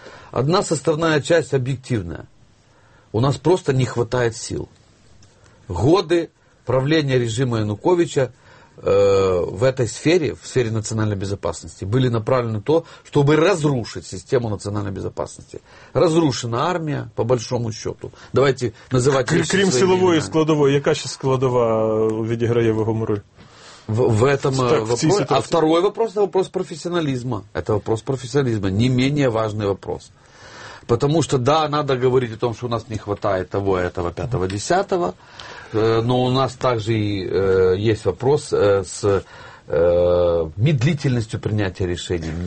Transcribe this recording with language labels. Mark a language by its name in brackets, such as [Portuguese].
[Russian] Одна составная часть объективная. У нас просто не хватает сил. Годы правления режима Януковича в этой сфере, в сфере национальной безопасности, были направлены на то, чтобы разрушить систему национальной безопасности. Разрушена армия, по большому счету. Давайте называть ее кроме силовой и складовой, [Ukrainian] яка ще складова відіграє вагому роль? [Russian] В этом вопросе. А второй вопрос — это вопрос профессионализма. Это вопрос профессионализма, не менее важный вопрос. Потому что, да, надо говорить о том, что у нас не хватает того, этого, пятого, десятого. Но у нас также и есть вопрос с медлительностью принятия решений.